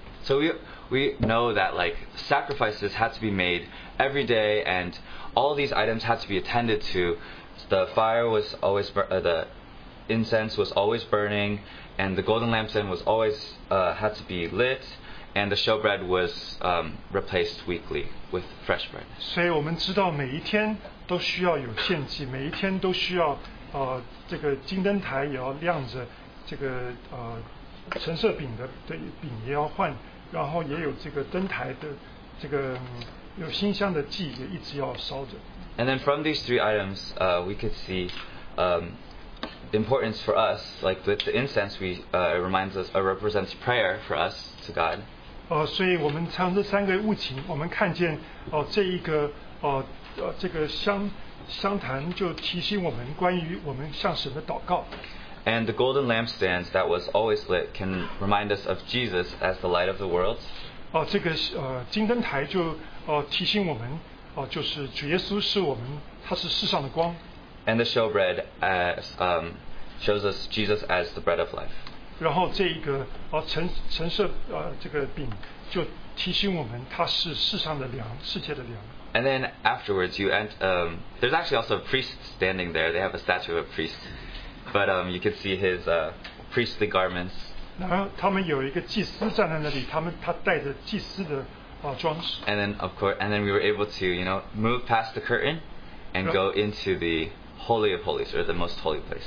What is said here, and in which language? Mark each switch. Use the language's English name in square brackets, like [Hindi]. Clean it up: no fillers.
[English] So we know that like sacrifices had to be made every day, and all these items had to be attended to. The fire was always the incense was always burning, and the golden lampstand was always had to be lit, and the showbread was replaced weekly with fresh bread. [Chinese] 所以我们知道每一天都需要有献祭, 每一天都需要, 这个金灯台也要亮着这个, 橙色饼的饼也要换, 然后也有这个灯台的, 这个, 有馨香的祭也一直要烧着。 [English] And then from these three items, we could see the importance for us, like with the incense, we, it reminds us, or represents prayer for us to God. [Chinese] 所以我们从这三个物情, 我们看见, 这一个, 这个香, 香坛就提醒我们关于我们向神的祷告。 [English] And the golden lampstands that was always lit can remind us of Jesus as the light of the world. [Chinese] 这个, 金灯台就, 提醒我们, 就是主耶稣是我们, 祂是世上的光。 [English] And the showbread as, shows us Jesus as the bread of life. [Chinese] 然后这一个, 橙色, 这个饼, 就提醒我们, 祂是世上的粮, 世界的粮。 [English] And then afterwards, you end, there's actually also a priest standing there. They have a statue of a priest. But you can see his priestly garments. [Chinese] 然后他们有一个祭司站在那里, 他带着祭司的, [English] And then, of course, and then we were able to, you know, move past the curtain and go into the Holy of Holies, or the most holy place.